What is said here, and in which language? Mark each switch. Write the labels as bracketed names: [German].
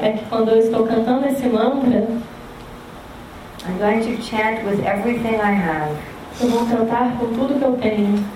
[Portuguese] É que quando eu estou cantando esse mantra. [English] I'm going to chant with everything I have. [Portuguese] Eu vou cantar com tudo que eu tenho.